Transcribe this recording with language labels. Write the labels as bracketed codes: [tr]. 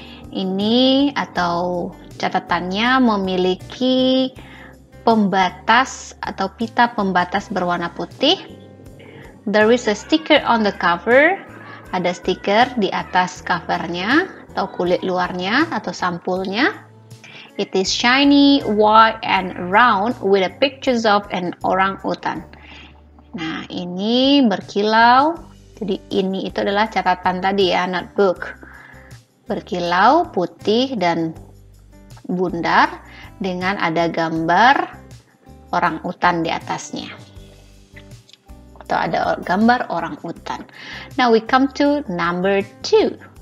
[id] Ini atau catatannya memiliki pembatas atau pita pembatas berwarna putih. [en] There is a sticker on the cover. [id] Ada stiker di atas covernya atau kulit luarnya atau sampulnya. [en] It is shiny, white, and round with a pictures of an orangutan. [id] Nah, ini berkilau. Jadi ini itu adalah catatan tadi ya, notebook. Berkilau, putih, dan bundar dengan ada gambar orangutan di atasnya. Atau ada gambar orangutan. [en] Now we come to number two.